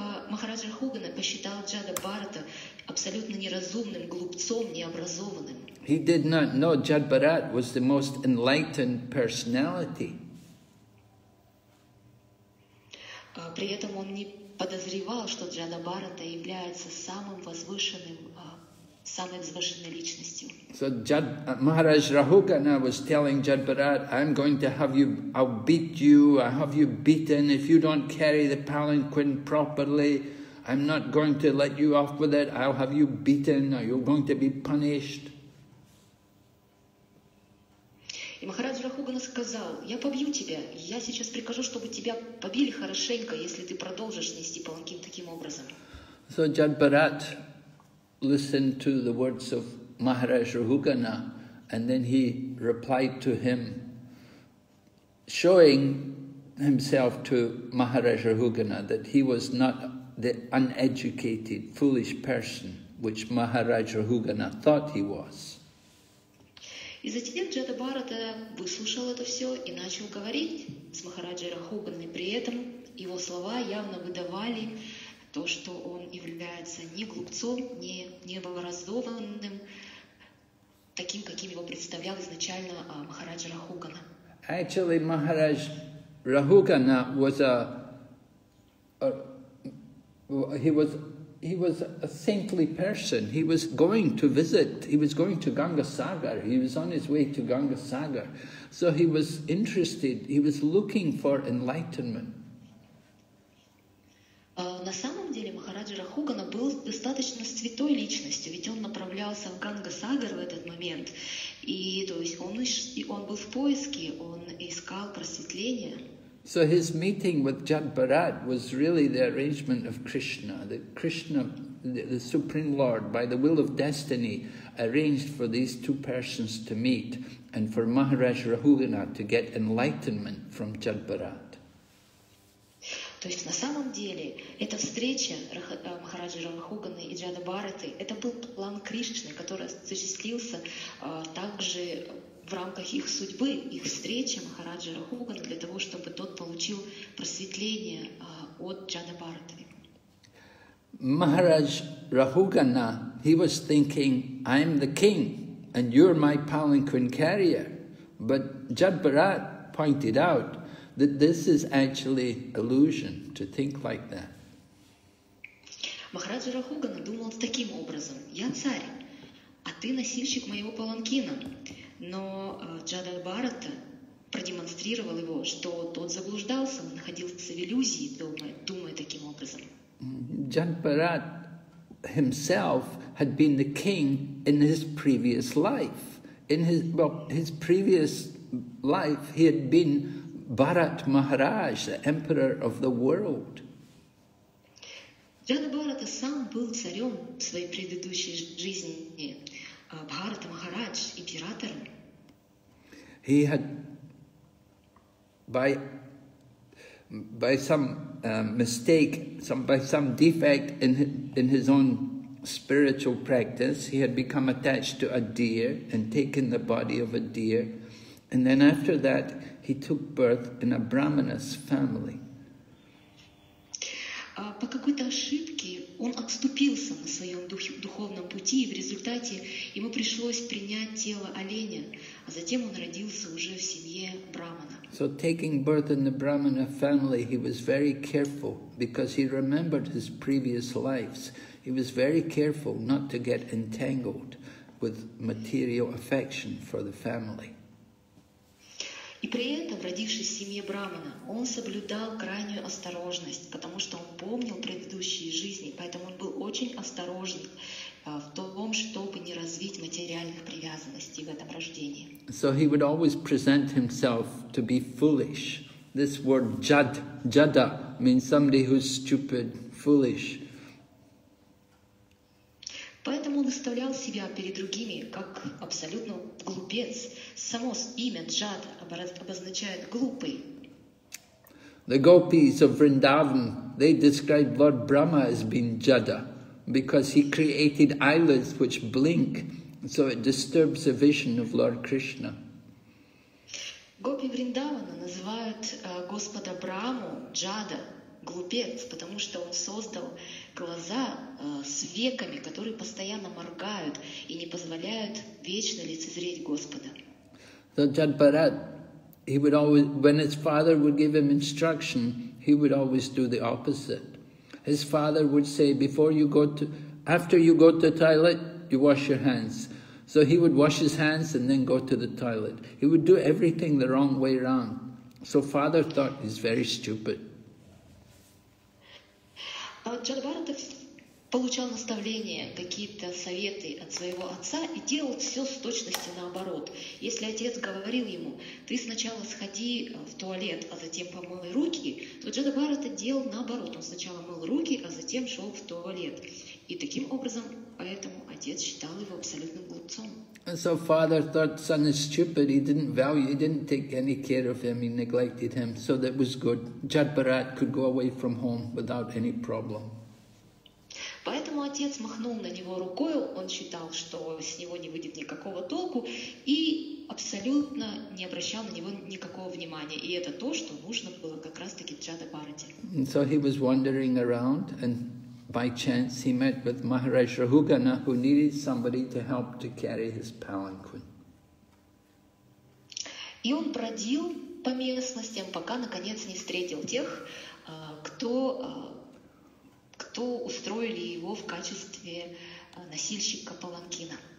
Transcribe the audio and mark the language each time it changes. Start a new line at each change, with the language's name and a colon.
Russian: Махарадж Рахугана посчитал Джадбхарата абсолютно неразумным, глупцом, необразованным.
English: He did not know Jadbharat was the most enlightened personality.
Russian: При этом он не подозревал, что Джадбхарата является самым возвышенным, самой возвышенной личностью.
English: So Махарадж Рахугана was telling Jadbharat, I'm going to have you, I'll beat you, I have you beaten. If you don't carry the palanquin properly, I'm not going to let you off with it. I'll have you beaten, or you're going to be punished.
Russian: И Махарадж Рахугана сказал: "Я побью тебя. Я сейчас прикажу, чтобы тебя побили хорошенько, если ты продолжишь нести паланкин таким образом."
English: So Jagbarat listened to the words of Maharaj Rahugana, and then he replied to him, showing himself to Maharaj Rahugana that he was not the uneducated, foolish person which Maharaj Rahugana thought he was.
Russian: И затем Джатабарата выслушал это все и начал говорить с Махараджей Рахуганой. При этом его слова явно выдавали то, что он является не глупцом, не необразованным, таким, каким его представлял изначально Махарадж Рахугана.
English: Actually, Махарадж Рахугана was a saintly person. He was going to visit, he was going to Ganga Sagar, he was on his way to Ganga Sagar. So he was interested, he was looking for enlightenment.
Russian: На самом деле Махараджа Рахугана был достаточно святой личностью, ведь он направлялся в Ганга Сагар в этот момент. И то есть он был в поиске, он искал просветление.
English: So his meeting with Jagbarat was really the arrangement of Krishna, that Krishna, the Supreme Lord, by the will of destiny, arranged for these two persons to meet and for Maharaj Rahugana to get enlightenment from Jagbarat.
Russian: То есть на самом деле эта встреча Махараджи Рахуганы и Джадабараты, это был план Кришны, который осуществился также в рамках их судьбы, их встречи Махараджа Рахугана для того, чтобы тот получил просветление от Джадабарты.
English: Махарадж Рахугана, he was thinking, I'm the king and you're my palanquin carrier. But Jagbarat pointed out that this is actually illusion to think like that.
Russian: Махарадж Рахугана думал таким образом: я царь, а ты носильщик моего паланкина. Но Джадабарата продемонстрировал его, что тот заблуждался, он находился в иллюзии, думая таким образом.
English: Jagbarat himself had been the king in his previous life. In his previous life he had been Bharat Maharaj, the emperor of the world.
Russian: Джадабарата сам был царем в своей предыдущей жизни, Бхарата Махарадж, императором.
English: He had, by some defect in his own spiritual practice, he had become attached to a deer and taken the body of a deer, and then after that, he took birth in a Brahmana's family.
Russian: По какой-то ошибке он отступился на своем духовном пути, и в результате ему пришлось принять тело оленя, а затем он родился уже в семье брахмана.
English: So taking birth in the brahmana family, he was very careful because he remembered his previous lives. He was very careful not to get entangled with material affection for the family.
Russian: И при этом, родившись в семье брахмана, он соблюдал крайнюю осторожность, потому что он помнил предыдущие жизни, поэтому он был очень осторожен в том, чтобы не развить материальных привязанностей в этом рождении.
English: So he would always present himself to be foolish. This word jada means somebody who's stupid, foolish.
Russian: Поэтому он выставлял себя перед другими как абсолютно глупец. Само имя Джад обозначает глупый.
English: The gopis of Vrindavan, they described Lord Brahma as being Jada because he created eyelids which blink, so it disturbs the vision of Lord Krishna.
Russian: Гопи Вриндавана называют Господа Брахму Джада, глупец, потому что он создал глаза с веками, которые постоянно моргают и не позволяют вечно лицезреть Господа.
English: So Jagbarat, he would always, when his father would give him instruction, he would always do the opposite. His father would say, after you go to the toilet, you wash your hands. So he would wash his hands and then go to the toilet. He would do everything the wrong way around. So father thought he's very stupid.
Russian: Джагаддатта получал наставления, какие-то советы от своего отца и делал все с точности наоборот. Если отец говорил ему, ты сначала сходи в туалет, а затем помой руки, то Джагаддатта делал наоборот. Он сначала мыл руки, а затем шел в туалет. И таким образом, поэтому отец считал его абсолютным глупцом.
English: And so father thought son is stupid, he didn't value, he didn't take any care of him, he neglected him. So that was good. Jadbarat could go away from home without any problem.
Russian: Поэтому отец махнул на него рукой, он считал, что с него не выйдет никакого толку, и абсолютно не обращал на него никакого внимания. И это то, что нужно было как раз-таки Джадабарате.
English: So he was wandering around and by chance, he met with Maharaj Rahugana, who needed somebody to help to carry his palanquin.
Russian: И он бродил по местностям, пока наконец не встретил тех, кто устроили его в качестве носильщика паланкина.